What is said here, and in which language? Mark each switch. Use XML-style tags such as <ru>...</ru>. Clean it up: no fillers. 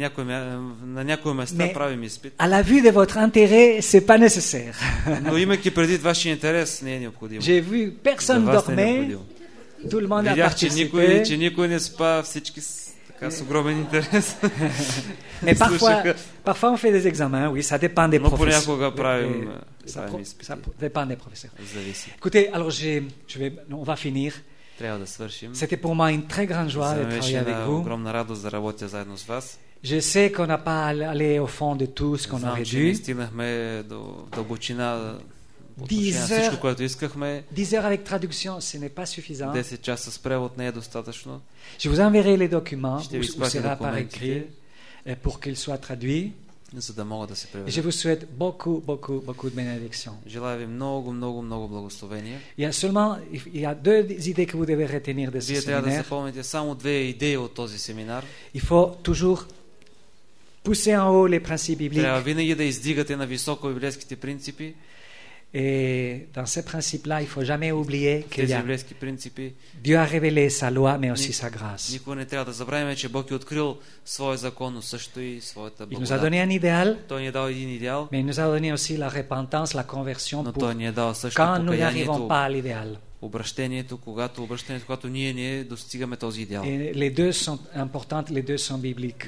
<bg>На някои места правим изпит.</bg> <fr>À la vue de votre intérêt, c'est pas nécessaire.</fr> <bg>Но имайки предвид вашия интерес, не е необходимо.</bg> <fr>J'ai vu personne dormait. Tout le monde a participé.</fr> <bg>Видях, че никой не спа, всички така с огромен интерес.</bg> <fr>Mais parfois on fait des examens, oui, ça dépend des professeurs.</fr> <bg>Но понякога правим.</bg> <fr>Ça dépend des professeurs.</fr> <bg>Зависи.</bg> <fr>Écoutez, alors on va finir.</fr> <bg>Трябва да свършим.</bg> <fr>C'était pour moi une très grande joie de travailler avec vous.</fr> <bg>Беше огромна радост да работя заедно с вас.</bg> <fr>Je sais qu'on n'a pas allé au fond de tout ce qu'on aurait dû.</fr> <bg>Не стигнахме до дълбочина.</bg> <fr>10 heures avec traduction, ce n'est pas suffisant.</fr> <bg>10 часа с превод не е достатъчно.</bg> <fr>Je vous enverrai les documents, où sera par écrit, pour qu'ils soient traduits.</fr> <bg>За да могат да се преведат.</bg> <fr>Je vous souhaite beaucoup de bénédictions.</fr> <bg>Желая ви много благословения.</bg> <fr>Il y a deux idées que vous devez retenir de ce séminaire.</fr> <bg>Вие трябва да запомните само две идеи от този семинар.</bg> <fr>Il faut toujours pousser en haut les principes bibliques.</fr> <bg>Трябва винаги да издигате на високо библейските принципи.</bg> <fr>Et dans ces principes-là, il ne faut jamais oublier que</fr> <bg>принципи,</bg> <fr>Dieu a révélé sa loi, mais aussi sa grâce.</fr> <bg>Никой не трябва да забравяме, че Бог е открил своя закон, но също и своята благодат.</bg> <fr>Il nous a donné un идеал.</fr> <bg>Той ни е дал един идеал.</bg> <fr>Mais il nous a donné aussi la repentance, la conversion.</fr> <bg>Но той ни е дал също</bg> <fr>quand nous n'arrivons pas à l'idéal.</fr> <bg>Обръщението, когато ние не достигаме този идеал.</bg> <fr>Et les deux sont importantes, les deux sont bibliques.</fr>